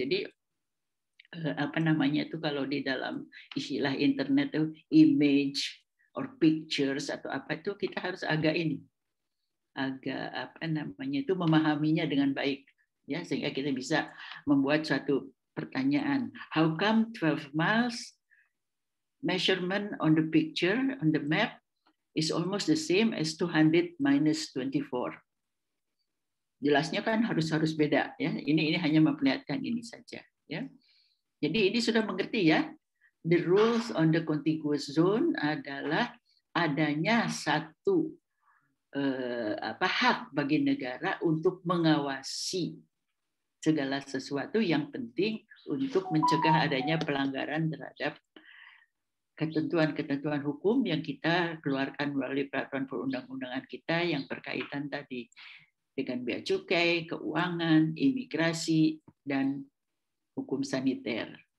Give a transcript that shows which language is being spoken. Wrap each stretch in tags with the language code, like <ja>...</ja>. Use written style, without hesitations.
<id>Jadi apa namanya itu kalau di dalam istilah internet itu image or pictures atau apa itu kita harus agak ini. Agak apa namanya itu memahaminya dengan baik. Ya, sehingga kita bisa membuat suatu pertanyaan.</id> <en>How come 12 miles measurement on the picture, on the map, is almost the same as 200 minus 24?</en> <id>Jelasnya kan harus beda. Ya. Ini hanya memperlihatkan ini saja. Ya. Jadi ini sudah mengerti ya.</id> <en>The rules on the contiguous zone</en> <id>adalah adanya satu hak bagi negara untuk mengawasi segala sesuatu yang penting untuk mencegah adanya pelanggaran terhadap ketentuan-ketentuan hukum yang kita keluarkan melalui peraturan perundang-undangan kita yang berkaitan tadi dengan bea cukai, keuangan, imigrasi, dan hukum saniter.</id>